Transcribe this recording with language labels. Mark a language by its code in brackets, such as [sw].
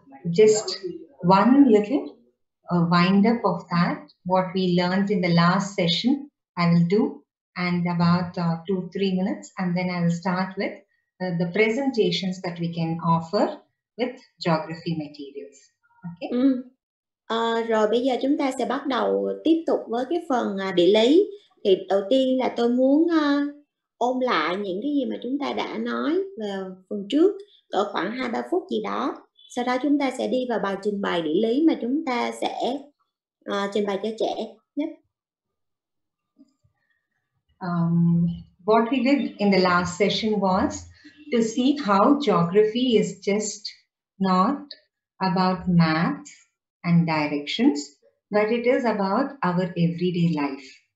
[en] Just one little wind up of that, what we learned in the last session, I will do, and about 2-3 minutes, and then I will start with the presentations that we can offer with geography materials. Okay. [vi] Rồi bây giờ chúng ta sẽ bắt đầu tiếp tục với cái phần địa lý. Thì đầu tiên là tôi muốn ôn lại những cái gì mà chúng ta đã nói vào phần trước, cỡ khoảng 2-3 phút gì đó. Sau đó chúng ta sẽ đi vào bài trình bày địa lý mà chúng ta sẽ trình bày cho trẻ nhé. [en] What we did in the last session was to see how geography is just not about maps and directions, but it is about our everyday life.